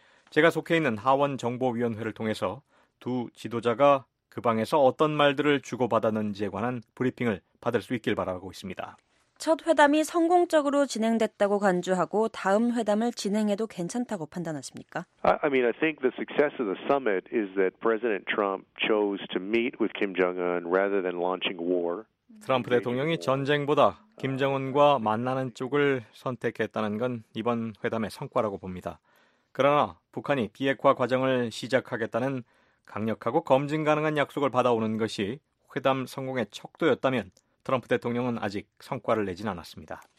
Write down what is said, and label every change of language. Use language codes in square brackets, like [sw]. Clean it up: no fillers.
[ko] 제가 속해 있는 하원정보위원회를 통해서 두 지도자가 그 방에서 어떤 말들을 주고받았는지에 관한 브리핑을 받을 수 있길 바라고 있습니다. 첫 회담이 성공적으로 진행됐다고 간주하고 다음 회담을 진행해도 괜찮다고 판단하십니까? [en] I mean, I think the success of the summit is that President Trump chose to meet with Kim Jong-un rather than launching war. [ko] 트럼프 대통령이 전쟁보다 김정은과 만나는 쪽을 선택했다는 건 이번 회담의 성과라고 봅니다. 그러나 북한이 비핵화 과정을 시작하겠다는 강력하고 검증 가능한 약속을 받아오는 것이 회담 성공의 척도였다면 트럼프 대통령은 아직 성과를 내진 않았습니다.